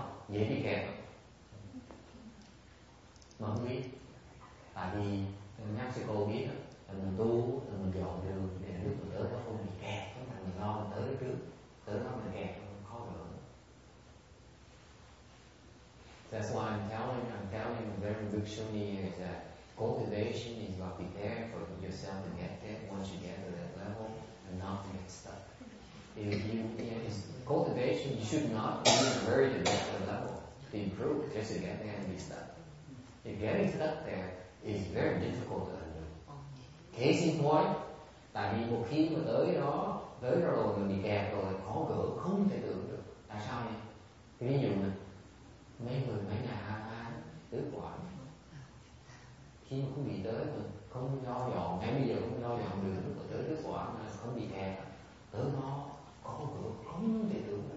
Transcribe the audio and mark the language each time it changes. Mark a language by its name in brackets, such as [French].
[Vietnamese] dễ bị kẹt. Mà không biết, tại vì Mexico biết là mình tu, là mình dọn đường để được mình tới, nó không bị kẹt, nó là mình lo mình tới trước, tới nó mình kẹt, mình khó được. [English] That's why I'm telling a very good Shuni is that cultivation is about preparing for yourself to get there once you get to that level and not to get stuck. Cultivation, you should not be worried about the level to improve just to get there and be stuck. If getting stuck there is very difficult to undo. Case in point, [Vietnamese] tại vì một khi mà tới đó rồi mình bị kẹt rồi, khó gỡ, không thể gỡ được. Tại sao nhỉ? Ví dụ này, mấy người mấy nhà hàng ăn tứ quản, khi mà không bị tới mà không lo dọn, ngay bây giờ không lo dọn đường mà tới tứ quản mà không bị kẹt, tới nó khó gỡ, không thể gỡ được.